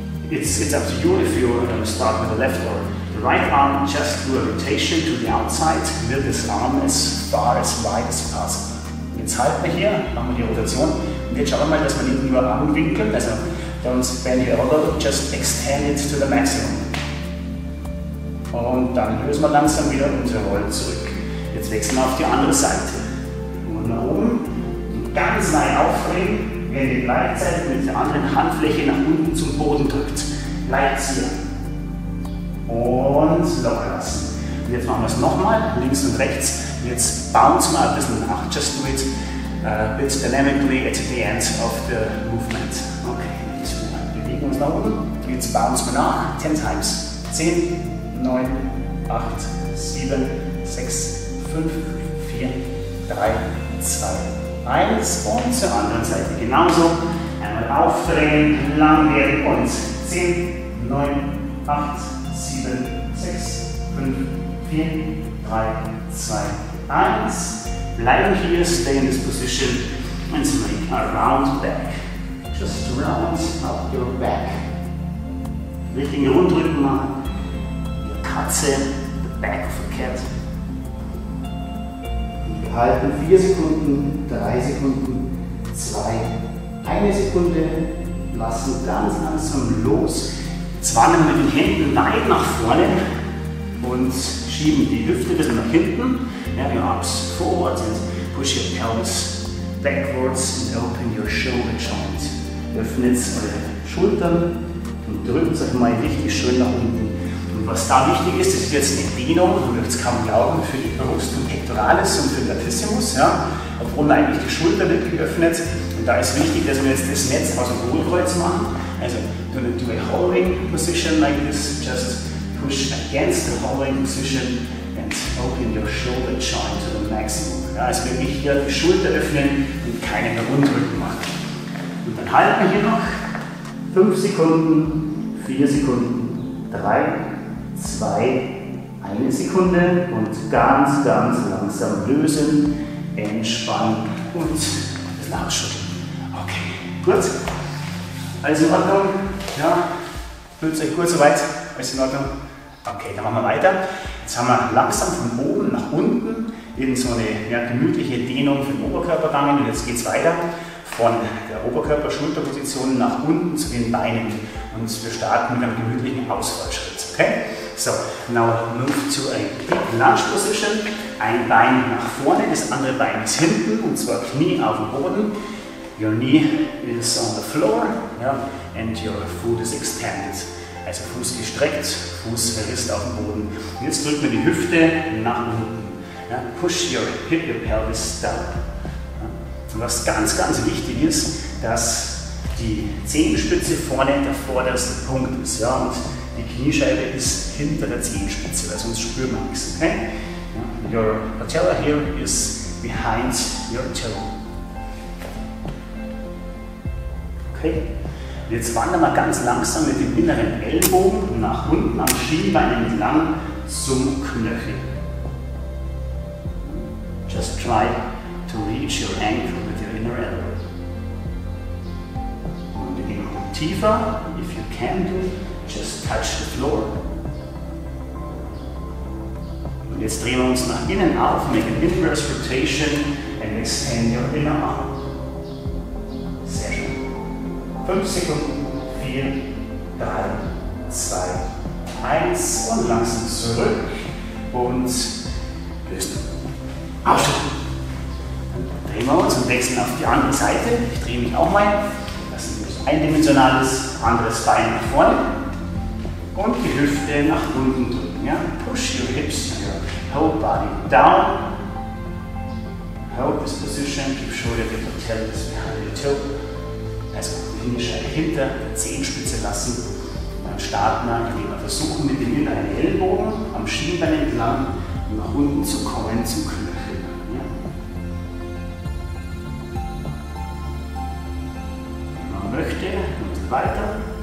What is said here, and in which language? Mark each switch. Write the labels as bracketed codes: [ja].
[en] It's up to you if you're going to start with the left or the right arm. Just do a rotation to the outside with this arm as far as wide as possible. [de] Jetzt halten wir hier, machen wir die Rotation. Und jetzt schauen wir mal, dass wir den über Arm winkeln. [en] Also, don't bend your elbow, just extend it to the maximum. [de] Und dann lösen wir langsam wieder und wir rollen zurück. Jetzt wechseln wir auf die andere Seite. Und nach oben. Und ganz nah aufregen, wenn ihr gleichzeitig mit der anderen Handfläche nach unten zum Boden drückt. Leicht ziehen. und locker lassen. Und jetzt machen wir es nochmal, links und rechts. Und jetzt bounce mal ein bisschen nach. [en] Just do it a bit dynamically at the end of the movement. [de] Okay, jetzt bewegen wir uns nach oben. Jetzt bounce mal nach. [en] 10 times. 10, 9, 8, 7, 6, 5, 4, 3, 2, 1. [de] Und zur anderen Seite genauso. Einmal aufdrehen, lang werden und 10, 9, 8, 7, 6, 5, 4, 3, 2, 1. Bleiben hier, [en] stay in this position and make a round back. Just round up your back. [de] Richtigen Rundrücken machen. Die Katze, [en] the back of a cat. [de] Und wir halten 4 Sekunden, 3 Sekunden, 2, 1 Sekunde. Lassen ganz langsam los. Jetzt wandern wir mit den Händen weit nach vorne und schieben die Hüfte ein bisschen nach hinten. [en] Have your arms forward and push your pelvis backwards and open your shoulder joint. [de] Öffnet eure Schultern und drückt euch mal richtig schön nach unten. Und was da wichtig ist, das ist jetzt eine Dehnung, man möchte es kaum glauben, für die Brust und Pectoralis und für den Latissimus, ja, obwohl eigentlich die Schulter wird geöffnet. Und da ist wichtig, dass wir jetzt das Netz aus dem Hohlkreuz machen. [en] Also do a hovering position like this, just push against the hovering position and open your shoulder joint to the maximum. [de] Ja, also wirklich hier die Schulter öffnen und keine mehr Rundrücken machen. Und dann halten wir hier noch 5 Sekunden, 4 Sekunden, 3, 2, 1 Sekunde und ganz, ganz langsam lösen, entspannen und ein bisschen ausschütteln. Okay, gut. Alles in Ordnung? Ja, fühlt sich gut soweit? Alles in Ordnung? Okay, dann machen wir weiter. Jetzt haben wir langsam von oben nach unten in so eine gemütliche Dehnung für den Oberkörper gegangen und jetzt geht es weiter von der Oberkörper-Schulterposition nach unten zu den Beinen und wir starten mit einem gemütlichen Ausfallschritt, okay? [en] So, now move to a quick lunge position. [de] Ein Bein nach vorne, das andere Bein ist hinten und zwar Knie auf dem Boden. [en] Your knee is on the floor, yeah, and your foot is extended. [de] Also Fuß gestreckt, Fuß verrisst auf dem Boden. Und jetzt drückt man die Hüfte nach unten. Ja, [en] push your hip, your pelvis down. [de] Ja, und was ganz, ganz wichtig ist, dass die Zehenspitze vorne der vorderste Punkt ist. Ja, und die Kniescheibe ist hinter der Zehenspitze, weil sonst spürt man nichts. Okay? [en] Ja, your patella here is behind your toe. Okay. [de] Jetzt wandern wir ganz langsam mit dem inneren Ellbogen nach unten am Schienbein entlang zum Knöchel. [en] Just try to reach your ankle with your inner elbow. [de] Und wir gehen noch tiefer. [en] If you can do, just touch the floor. [de] Und jetzt drehen wir uns nach innen auf, [en] make an inverse rotation and extend your inner arm. [de] Sehr schön. 5 Sekunden. 4, 3, 2, 1 und langsam zurück und lösen. Aufschütteln. Dann drehen wir uns und wechseln auf die andere Seite. Ich drehe mich auch mal. Das ist eindimensionales, anderes Bein nach vorne. Und die Hüfte nach unten drücken. Ja? [en] Push your hips, your whole body down. Hold this position, keep shoulder with your pelvis behind your toe. [de] Also Kniescheibe hinter, Zehenspitze lassen. Dann starten wir, indem wir versuchen, mit dem inneren Ellbogen am Schienbein entlang nach unten zu kommen zum Knöchel. Wenn man möchte, ein bisschen weiter.